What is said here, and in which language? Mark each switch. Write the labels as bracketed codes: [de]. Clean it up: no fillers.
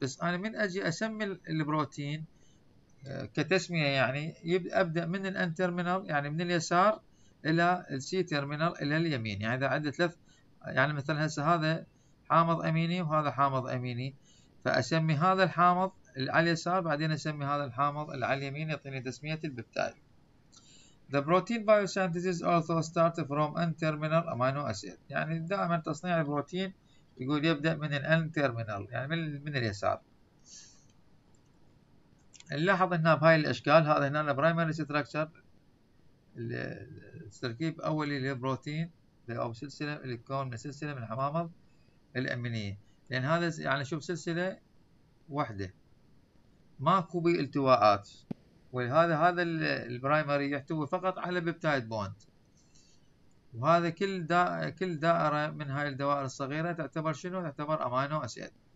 [ar] بس أنا من أجي أسمي البروتين كتسمية يعني أبدأ من N-terminal يعني من اليسار إلى C-terminal إلى اليمين، يعني إذا عندي ثلاث يعني مثلا هسه هذا حامض أميني وهذا حامض أميني، فأسمي هذا الحامض اللي على اليسار بعدين أسمي هذا الحامض اللي على اليمين يعطيني تسمية البيبتايد. [en] The protein biosynthesis also start from N-terminal amino acid. [ar] يعني دائما تصنيع البروتين يقول يبدأ من N-terminal يعني من اليسار. نلاحظ هنا بهاي الأشكال، هذا هنا primary structure التركيب أولي للبروتين أو سلسلة اللي تكون من سلسلة من الحمامض الأمينية، لأن هذا يعني شوف سلسلة واحدة ماكو بالتواءات، وهذا هذا البرايمري يحتوي فقط على بيبتايد بوند، وهذا كل دائرة من هاي الدوائر الصغيرة تعتبر شنو؟ تعتبر أمينو أسيد.